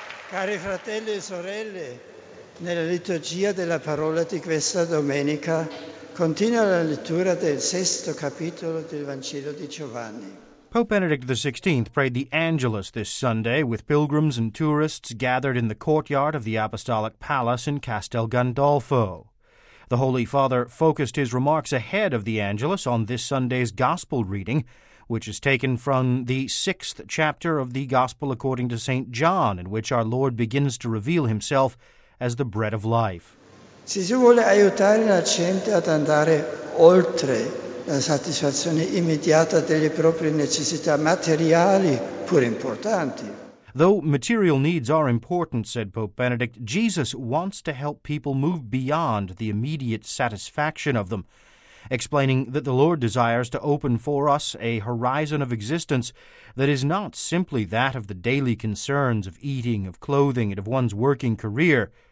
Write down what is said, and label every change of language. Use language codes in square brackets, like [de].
[it] Cari fratelli e sorelle, nella liturgia della parola di questa domenica continua la lettura del sesto capitolo del Vangelo di Giovanni. [en] Pope Benedict XVI prayed the Angelus this Sunday with pilgrims and tourists gathered in the courtyard of the Apostolic Palace in Castel Gandolfo. The Holy Father focused his remarks ahead of the Angelus on this Sunday's Gospel reading, which is taken from the sixth chapter of the Gospel according to St. John, in which our Lord begins to reveal himself as the bread of life. [it] Gesù vuole aiutare la gente ad andare oltre la soddisfazione immediata delle proprie necessità materiali, pur importanti. [en] Though material needs are important, said Pope Benedict, Jesus wants to help people move beyond the immediate satisfaction of them, explaining that the Lord desires to open for us a horizon of existence that is not simply that of the daily concerns of eating, of clothing, and of one's working career.